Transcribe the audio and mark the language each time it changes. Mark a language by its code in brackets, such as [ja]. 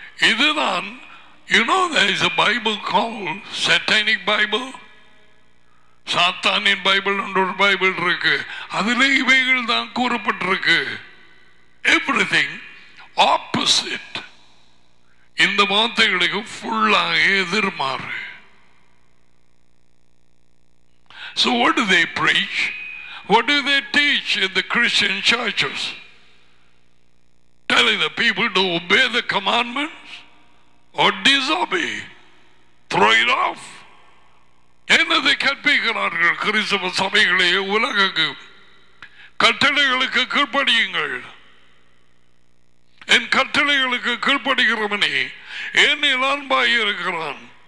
[ta] இதுதான், [en] you know there is a bible called satanic bible, [ta] சாத்தானின் Bible என்று ஒரு பைபிள் இருக்கு, அதுல இவைகள் தான் கூறப்பட்டிருக்கு. Everything opposite. இந்த வார்த்தைகளுக்கு ஃபுல்லாக எதிர்மாறு. [en] So what do they preach? What do they teach in the Christian churches? Telling the people to obey the commandments or disobey, throw it off. [ta] என்னதை கற்பிக்கிறார்கள் கிறிஸ்தவ சபைகளே? உலகுக்கு கட்டளைகளுக்கு கீழ்ப்படியுங்கள். என் கட்டளைகளுக்கு கீழ்ப்படுகிறவனே என் இளான்பாய் இருக்கிறான்.